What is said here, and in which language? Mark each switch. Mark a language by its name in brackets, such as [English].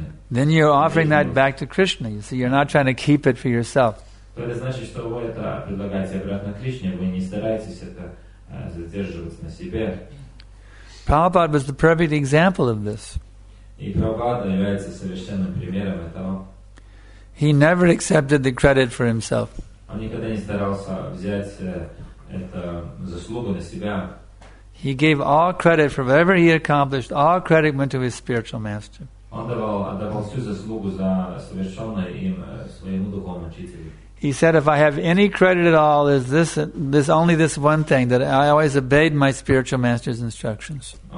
[English] Then you're offering that back to Krishna. You see, you're not trying to keep it for yourself. [Russian] Это значит, что вы это предлагаете обратно Кришне, вы не стараетесь это задерживать на себе. [English] Prabhupada was the perfect example of this. [Russian] И Прабхупада является совершенным примером этого. [English] He never accepted the credit for himself. [Russian] Он никогда не старался взять это заслугу на себя. [English] He gave all credit for whatever he accomplished. All credit went to his spiritual master. [Russian] Он отдавал всю заслугу за совершенное им своему духовному учителю. [English] He said, if I have any credit at all, is this only this one thing, that I always obeyed my spiritual master's instructions.